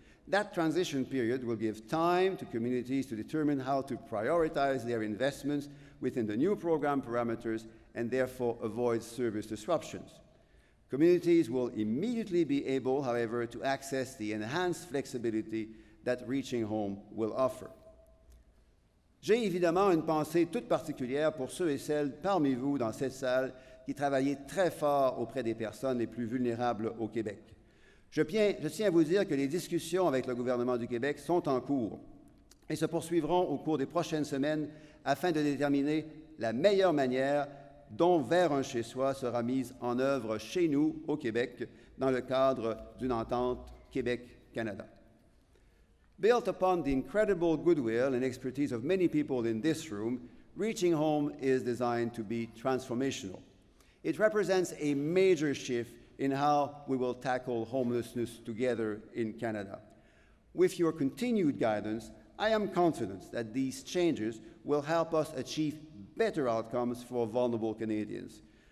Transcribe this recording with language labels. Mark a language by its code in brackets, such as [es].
[en] That transition period will give time to communities to determine how to prioritize their investments within the new program parameters and therefore avoid service disruptions. Communities will immediately be able, however, to access the enhanced flexibility that Reaching Home will offer. [fr] J'ai évidemment une pensée toute particulière pour ceux et celles parmi vous dans cette salle qui travaillaient très fort auprès des personnes les plus vulnérables au Québec. Je tiens à vous dire que les discussions avec le gouvernement du Québec sont en cours et se poursuivront au cours des prochaines semaines afin de déterminer la meilleure manière dont Vers un chez-soi sera mise en œuvre chez nous, au Québec, dans le cadre d'une entente Québec-Canada. [en] Built upon the incredible goodwill and expertise of many people in this room, Reaching Home is designed to be transformational. It represents a major shift in how we will tackle homelessness together in Canada. With your continued guidance, I am confident that these changes will help us achieve better outcomes for vulnerable Canadians.